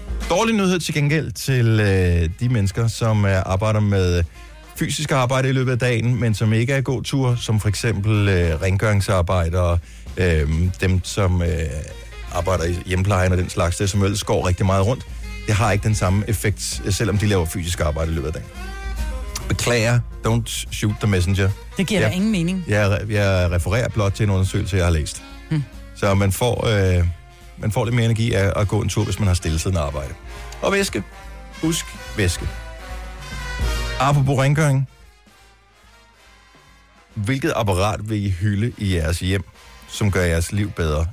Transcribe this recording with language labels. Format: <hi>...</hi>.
<da>Dårlig nyhed til gengæld til de mennesker, som arbejder med fysisk arbejde i løbet af dagen, men som ikke er god tur, som for eksempel rengøringsarbejdere, dem, som arbejder i hjemmeplejen og den slags, det som ellers går rigtig meget rundt. Det har ikke den samme effekt, selvom de laver fysisk arbejde i løbet af dagen.</da> <en>Beklager, don't shoot the messenger.</en> <da>Det giver ingen mening. Jeg refererer blot til en undersøgelse, jeg har læst. Hmm. Så man får... man får lidt mere energi af at gå en tur, hvis man har stillesiddende arbejde. Og væske. Husk væske. Apropos rengøring. Hvilket apparat vil I hylde i jeres hjem, som gør jeres liv bedre?</da>